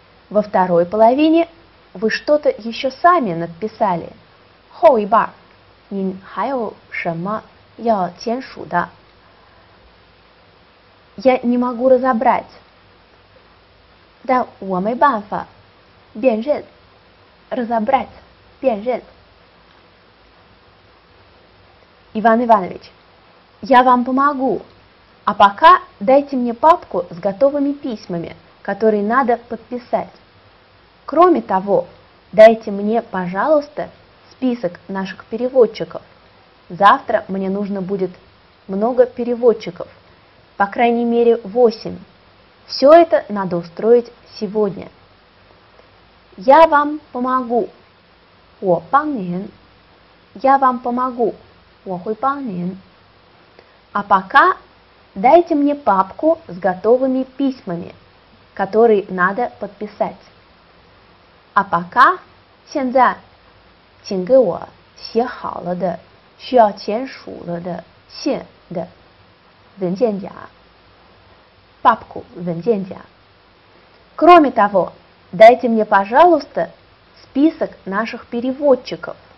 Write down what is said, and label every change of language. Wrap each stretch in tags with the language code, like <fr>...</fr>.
<ru>Во второй половине вы что-то еще сами написали.</ru> <zh>后一半, 您还有什么要签署的?</zh> <ru>Я не могу разобрать.</ru> <zh>但我没办法辨认.</zh> <ru>Разобрать, 辨认. Иван Иванович, я вам помогу. А пока дайте мне папку с готовыми письмами, которые надо подписать. Кроме того, дайте мне, пожалуйста, список наших переводчиков. Завтра мне нужно будет много переводчиков, по крайней мере 8. Все это надо устроить сегодня. Я вам помогу.</ru> <zh>我帮您.</zh> <ru>Я вам помогу.</ru> <zh>我会帮您.</zh> <ru>А пока дайте мне папку с готовыми письмами, которые надо подписать. А пока,</ru> <zh>现在, 请给我写好了的,需要签署了的,信的,文件夹, папку, 文件夹.</zh> <ru>Кроме того, дайте мне, пожалуйста, список наших переводчиков.</ru>